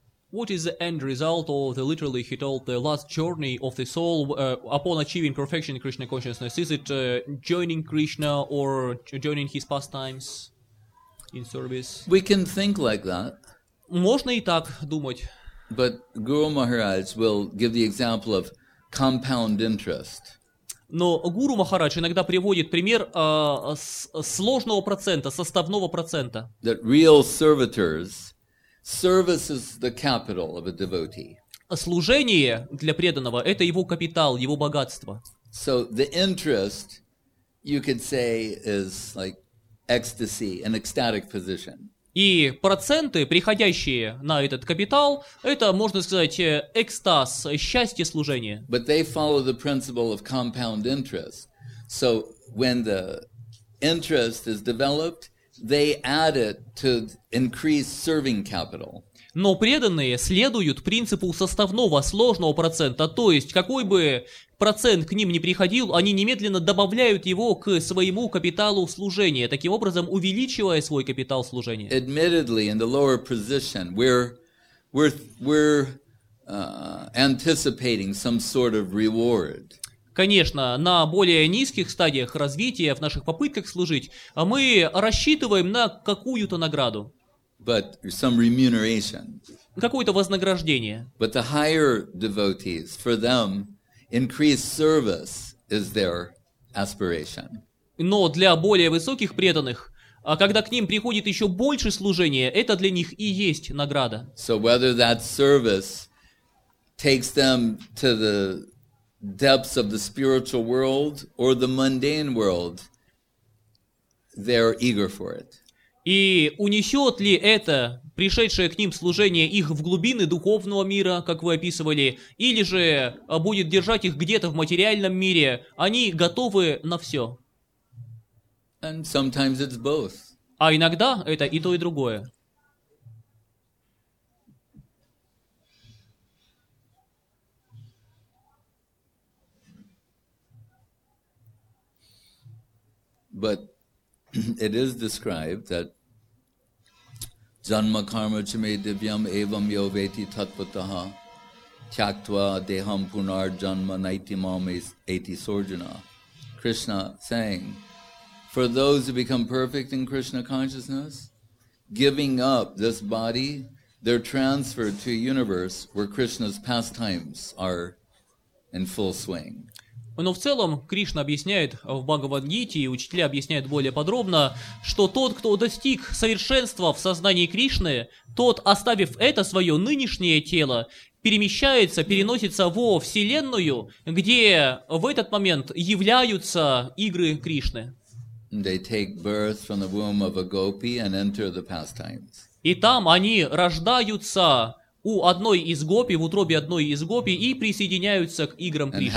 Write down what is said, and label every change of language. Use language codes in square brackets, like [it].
[en] What is the end result or the literally he told the last journey of the soul upon achieving perfection in Krishna consciousness? Is it joining Krishna or joining his pastimes in service? We can think like that. [ru] Можно и так думать. [en] But Guru Maharaj will give the example of compound interest. [ru] Но Гуру Махарадж иногда приводит пример сложного процента, составного процента. [en] That real servitors, service is the capital of a devotee. [ru] Служение для преданного – это его капитал, его богатство. [en] So the interest, you could say, is like ecstasy, an ecstatic position. [ru] И проценты, приходящие на этот капитал, это, можно сказать, экстаз, счастье служения. [en] But they follow the principle of compound interest. So when the interest is developed, they add it to increase serving capital. [ru] Но преданные следуют принципу составного сложного процента, то есть какой бы процент к ним ни приходил, они немедленно добавляют его к своему капиталу служения, таким образом увеличивая свой капитал служения. [en] Admittedly, in the lower position, we're anticipating some sort of reward. [ru] Конечно, на более низких стадиях развития, в наших попытках служить, мы рассчитываем на какую-то награду. [en] But some remuneration. [ru] Какое-то вознаграждение. [en] But the higher devotees, for them, increased service is their aspiration. [ru] Но для более высоких преданных, когда к ним приходит еще больше служения, это для них и есть награда. [en] So whether that service takes them to the depths of the spiritual world or the mundane world, they're eager for it. [ru] И унесет ли это пришедшее к ним служение их в глубины духовного мира, как вы описывали, или же будет держать их где-то в материальном мире, они готовы на все. [en] And sometimes it's both. [ru] А иногда это и то, и другое. [en] But it is described that [sa] Janma karma chame divyam evam yoveti tatvataha tyaktva deham punar janma naiti mam eti sorjana. [en] Krishna saying, for those who become perfect in Krishna consciousness, giving up this body, they're transferred to a universe where Krishna's pastimes are in full swing. [ru] Но в целом Кришна объясняет в Бхагавад-гите, и учителя объясняют более подробно, что тот, кто достиг совершенства в сознании Кришны, тот, оставив это свое нынешнее тело, перемещается, переносится во Вселенную, где в этот момент являются игры Кришны. [en] They take birth from the womb of a gopi and enter the pastimes. [ru] И там они рождаются у одной из гопи, в утробе одной из гопи, и присоединяются к играм Кришны.